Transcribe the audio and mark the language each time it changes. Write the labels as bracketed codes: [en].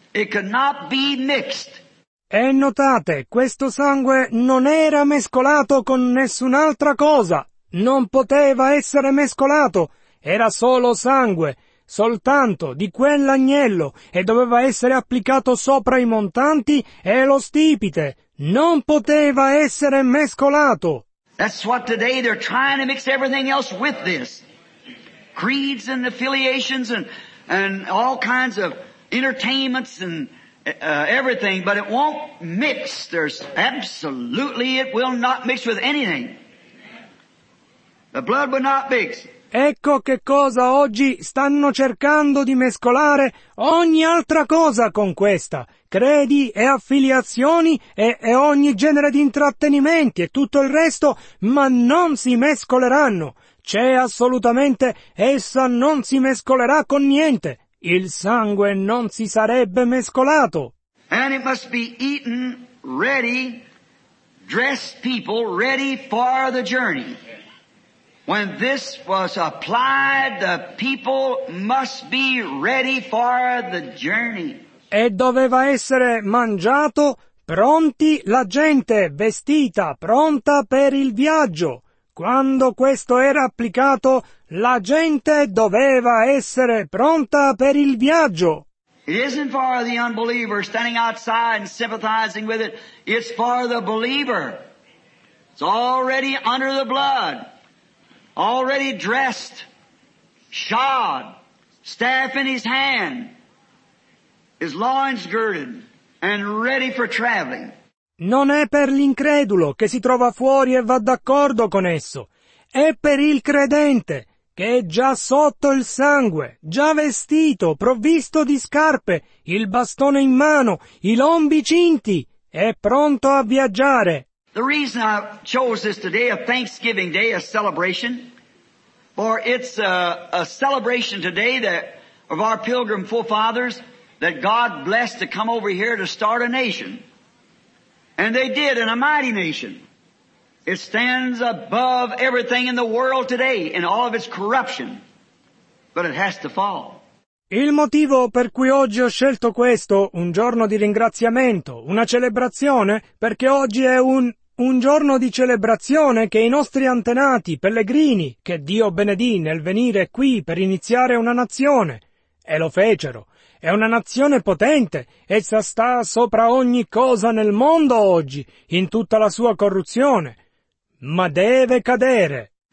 [en] It could not be mixed. [it] E notate, questo sangue non era mescolato con nessun'altra cosa. Non poteva essere mescolato. Era solo sangue. soltanto di quell'agnello e doveva essere applicato sopra i montanti e lo stipite. Non poteva essere mescolato. [en] That's what today they're trying to mix everything else with this. Creeds and affiliations and all kinds of entertainments and everything, but it won't mix. There's absolutely, it will not mix with anything. The blood will not mix. [it] Ecco che cosa oggi stanno cercando di mescolare ogni altra cosa con questa. Credi e affiliazioni e ogni genere di intrattenimenti e tutto il resto, ma non si mescoleranno. C'è assolutamente, essa non si mescolerà con niente. Il sangue non si sarebbe mescolato. [en] And it must be eaten ready, dressed people ready for the journey. When this was applied, the people must be ready for the journey. [it] E doveva essere mangiato, pronti, la gente vestita, pronta per il viaggio. Quando questo era applicato, la gente doveva essere pronta per il viaggio. [en] It isn't for the unbeliever standing outside and sympathizing with it. It's for the believer. It's already under the blood. Already dressed, shod, staff in his hand, his loins girded, and ready for traveling. [it] Non è per l'incredulo che si trova fuori e va d'accordo con esso. È per il credente, che è già sotto il sangue, già vestito, provvisto di scarpe, il bastone in mano, i lombi cinti, è pronto a viaggiare. [en] The reason I chose this today, a Thanksgiving day, a celebration, for it's a celebration today that of our pilgrim forefathers that God blessed to come over here to start a nation. And they did, in a mighty nation. It stands above everything in the world today in all of its corruption. But it has to fall. [it] Il motivo per cui oggi ho scelto questo, un giorno di ringraziamento, una celebrazione, perché oggi è un giorno di celebrazione che i nostri antenati, pellegrini, che Dio benedì nel venire qui per iniziare una nazione, e lo fecero, è una nazione potente, essa sta sopra ogni cosa nel mondo oggi, in tutta la sua corruzione, ma deve cadere.